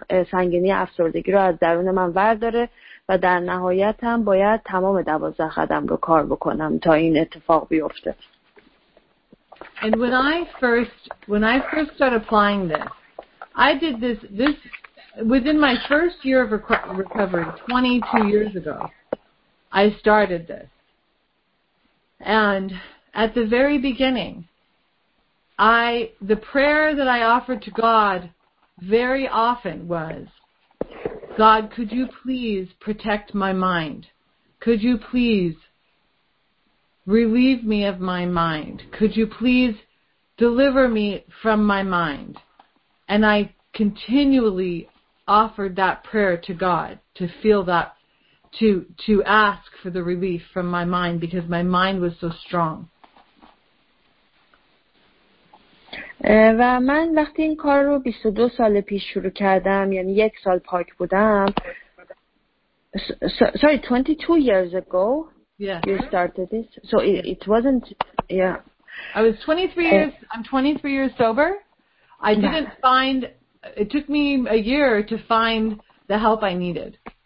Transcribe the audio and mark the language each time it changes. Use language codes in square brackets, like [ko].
[fa] سنگینی افسردگی رو از درون من ورداره و در نهایت هم باید تمام 12 قدم رو کار بکنم تا این اتفاق بیفته. [en] And when I first started applying this, I did this within my first year of recovery, 22 years ago, I started this. And at the very beginning, the prayer that I offered to God very often was, God, could you please protect my mind? Could you please relieve me of my mind? Could you please deliver me from my mind? And I continually offered that prayer to God to feel that, to ask for the relief from my mind because my mind was so strong. [fa] و من وقتی این کار رو 22 سال پیش شروع کردم، یعنی یک سال پاک بودم. [en] Sorry, 22 years ago yeah. you started this. So it wasn't, yeah. I was 23 years, I'm 23 years sober. I didn't find, it took me a year to find the help I needed.